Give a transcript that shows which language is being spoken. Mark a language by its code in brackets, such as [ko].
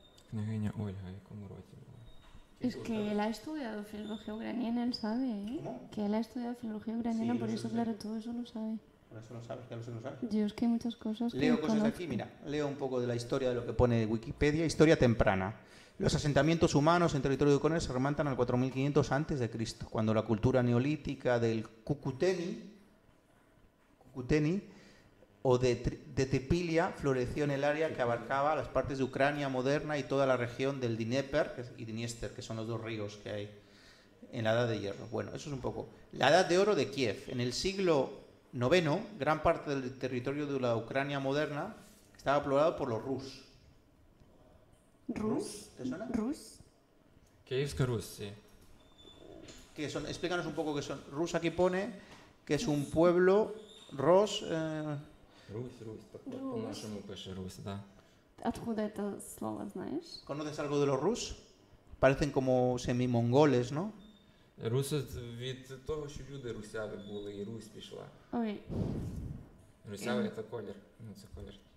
[uk] Княгиня Ольга, якому році? [es] Es que él ha estudiado filología ucraniana, él sabe, ¿eh? ¿Cómo? Que él ha estudiado filología ucraniana, sí, por eso, claro, todo eso lo sabe. Por eso lo sabe, ya lo sé, lo sabe. Yo es que hay muchas cosas leo que leo cosas conozco. Aquí, mira, leo un poco de la historia de lo que pone Wikipedia, historia temprana. Los asentamientos humanos en territorio de Ucrania se remontan al 4500 a.C., cuando la cultura neolítica del Kukuteni o de Tepilia floreció en el área que abarcaba las partes de Ucrania moderna y toda la región del Dnieper y Dniester, que son los dos ríos que hay en la Edad de Hierro. Bueno, eso es un poco. La Edad de Oro de Kiev. En el siglo IX, gran parte del territorio de la Ucrania moderna estaba poblado por los Rus. ¿Rus? ¿Te suena? ¿Rus? Kievska Rus, sí. ¿Qué son? Explícanos un poco qué son. Rus aquí pone que es un pueblo... Rus... [uk] Rus, по-нашому пише Русь, да. [ru] Откуда это слово знаєш? [es] Conoces algo de los Rus? Parecen como semi-mongoles, ¿no? [uk] Rus від того, що люди русяви були, і Русь пішла. Ой. Русяви – це колір. Ну, це колір.